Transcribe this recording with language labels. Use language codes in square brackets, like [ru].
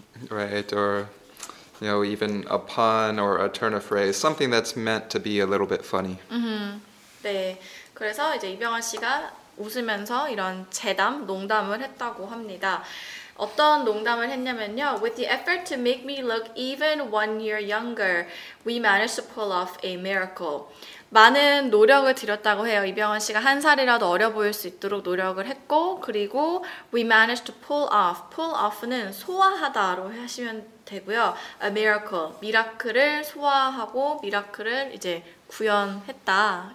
[en] Right, or, you know, even a pun or a turn of phrase, something that's meant to be a little bit funny. Mm-hmm. [ko] 네, 그래서 이제 이병헌 씨가 웃으면서 이런 재담, 농담을 했다고 합니다. 어떤 농담을 했냐면요. [en] With the effort to make me look even 1 year younger, we managed to pull off a miracle. [ko] 많은 노력을 들였다고 해요. 이병헌 씨가 한 살이라도 어려 보일 수 있도록 노력을 했고, 그리고 [en] we managed to pull off. [ko] Pull off는 소화하다로 하시면 되고요. [en] A miracle. [ko] 미라클을 소화하고 미라클을 이제 구현했다.